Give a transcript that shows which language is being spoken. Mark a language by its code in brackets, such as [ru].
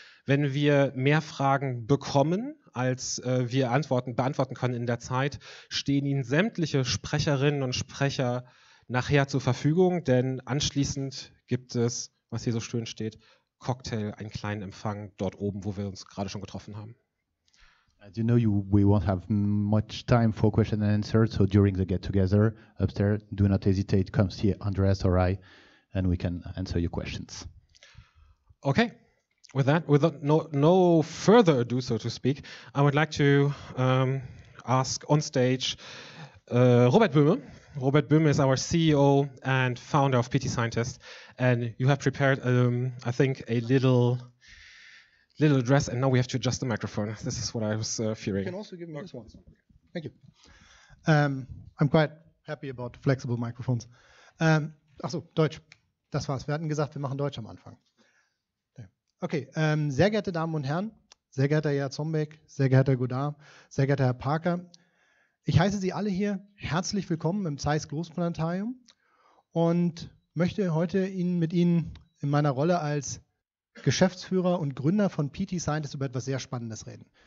[de] Wenn wir mehr Fragen bekommen, als wir beantworten können in der Zeit, stehen Ihnen sämtliche Sprecherinnen und Sprecher nachher zur Verfügung, denn anschließend gibt es, was hier so schön steht, Cocktail, einen kleinen Empfang dort oben, wo wir uns gerade schon getroffen haben. [en] As you know, we won't have much time for question and answer, so during the get-together upstairs, do not hesitate, come see Andreas or I, and we can answer your questions. Okay, with that, without further ado, so to speak, I would like to ask on stage Robert Böhme. Robert Böhme is our CEO and founder of PT Scientist, and you have prepared, I think, a little address, and now we have to adjust the microphone. This is what I was fearing. You can also give me this one. Thank you. I'm quite happy about flexible microphones. [de] Ach so, Deutsch. Das war's. Wir hatten gesagt, wir machen Deutsch am Anfang. Okay, sehr geehrte Damen und Herren, sehr geehrter Herr Zombeck, sehr geehrter Herr Godard, sehr geehrter Herr Parker, ich heiße Sie alle hier herzlich willkommen im Zeiss Großplanetarium und möchte heute Ihnen mit Ihnen in meiner Rolle als Geschäftsführer und Gründer von PT Scientist über etwas sehr Spannendes reden.